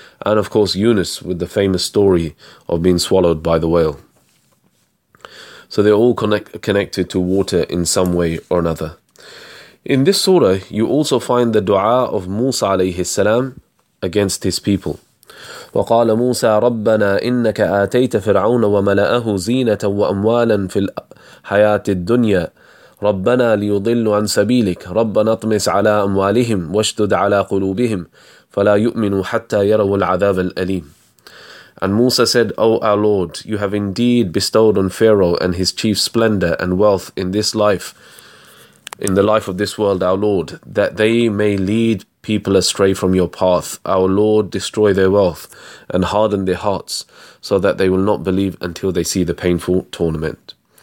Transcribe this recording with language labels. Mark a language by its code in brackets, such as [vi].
[en] And of course, Yunus with the famous story of being swallowed by the whale. So they're all connected to water in some way or another. In this surah, you also find the dua of Musa [ar] alayhi salam [en] against his people. [ar] وقال موسى ربنا إنك آتيت فرعون وملأه زينة وأموالا في الحياة الدنيا ربنا ليضل عن سبيلك ربنا اطمس على أموالهم واشدد على قلوبهم فلا يؤمنوا حتى يروا العذاب الأليم. [en] And Musa said, O our Lord, you have indeed bestowed on Pharaoh and his chief splendor and wealth in this life, in the life of this world, our Lord, that they may lead people astray from your path. Our Lord, destroy their wealth and harden their hearts so that they will not believe until they see the painful torment.